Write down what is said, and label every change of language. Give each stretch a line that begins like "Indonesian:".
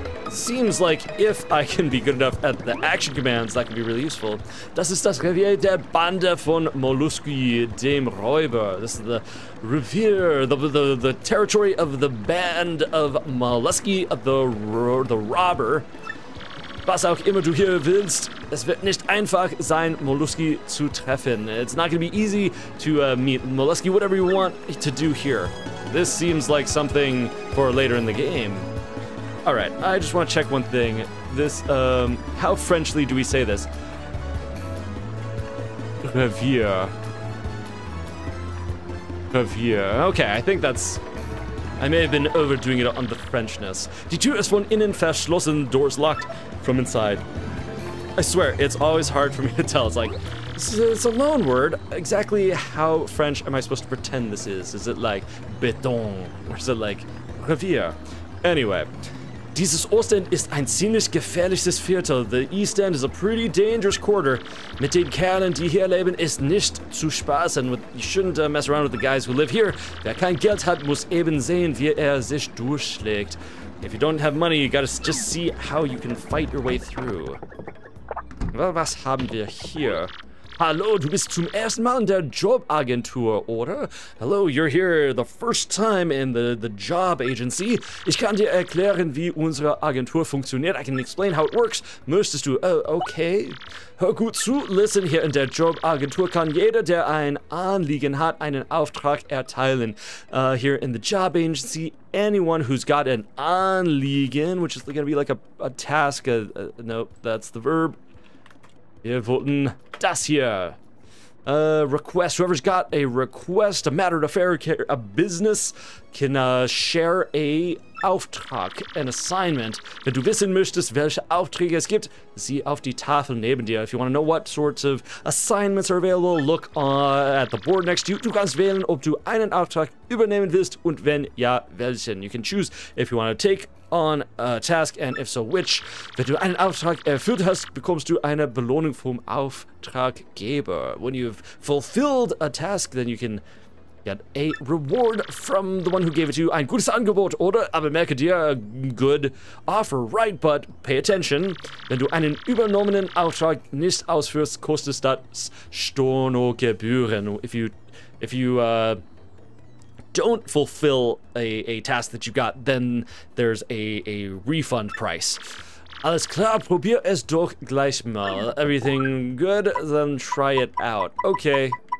English: Seems like if I can be good enough at the action commands, that can be really useful.
German: Das ist das Revier der Bande von Moluski, dem Räuber.
English: This is the Revier, the territory of the band of Moluski, the robber.
German: Was auch immer du hier willst, es wird nicht einfach sein, Moluski zu treffen.
English: It's not gonna be easy to meet Moluski, whatever you want to do here. This seems like something for later in the game. Alright, I just want to check one thing. This, how Frenchly do we say this? Revier. Okay, I think that's... I may have been overdoing it on the Frenchness.
German: Die Tür ist von innen verschlossen, doors locked from inside.
English: I swear, it's always hard for me to tell. It's like, it's a loan word. Exactly how French am I supposed to pretend this is? Is it like, béton? Or is it like, revier? Anyway.
German: Dieses Ostend ist ein ziemlich gefährliches Viertel.
English: The East End is a pretty dangerous quarter.
German: Mit den Kerlen, die hier leben, ist nicht zu spaßen.
English: You shouldn't mess around with the guys who live here.
German: Wer kein Geld hat, muss eben sehen, wie sich durchschlägt.
English: If you don't have money, you gotta just see how you can fight your way through.
German: Well, was haben wir hier? Hallo, du bist zum ersten Mal in der Jobagentur, oder?
English: Hello, you're here the first time in the job agency.
German: Ich kann dir erklären, wie unsere Agentur funktioniert.
English: I can explain how it works.
German: Möchtest du? Okay. Hör gut zu, listen, hier in der Jobagentur kann jeder, der ein Anliegen hat, einen Auftrag erteilen.
English: Here in the job agency, anyone who's got an Anliegen, which is gonna be like a task, nope, that's the verb.
German: Wir wollten das hier. Request.
English: Whoever's got a request, a matter of affair, a business, can share a Auftrag, an assignment.
German: Wenn du wissen möchtest, welche Aufträge es gibt, sieh auf die Tafel neben dir.
English: If you want to know what sorts of assignments are available, look at the board next to you.
German: Du kannst wählen, ob du einen Auftrag übernehmen willst und wenn ja, welchen.
English: You can choose if you want to take on a task, and if so, which.
German: Wenn du einen Auftrag erfüllt hast, bekommst du eine Belohnung vom Auftraggeber.
English: When you've fulfilled a task, then you can get a reward from the one who gave it to you.
German: Ein gutes Angebot, oder? Aber merke dir,
English: a good offer, right? But pay attention.
German: Wenn du einen übernommenen Auftrag nicht ausführst, kostet das Stornogebühren.
English: If you don't fulfill a task that you got, then there's a refund price.
German: Alles klar, probier es doch gleich mal.
English: Everything good, then try it out. Okay.